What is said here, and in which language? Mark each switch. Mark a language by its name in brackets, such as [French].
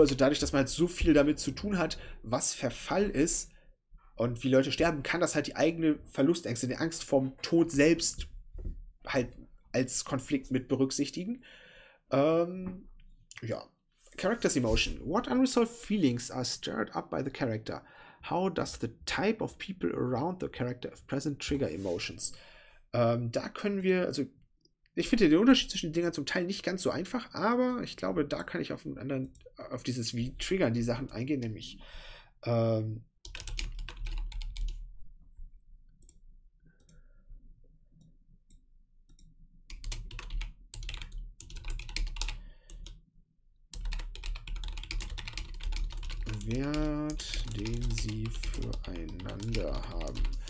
[German] Also dadurch, dass man halt so viel damit zu tun hat, was Verfall ist, und wie Leute sterben, kann das halt die eigene Verlustängste, die Angst vorm Tod selbst halt als Konflikt mit berücksichtigen. [English] Ja. Character's Emotion. What unresolved feelings are stirred up by the character? How does the type of people around the character have present trigger emotions? [German] Da können wir, also ich finde den Unterschied zwischen den Dingern zum Teil nicht ganz so einfach, aber ich glaube, da kann ich auf einen anderen, auf dieses wie triggern die Sachen eingehen, nämlich Wert, den sie füreinander haben.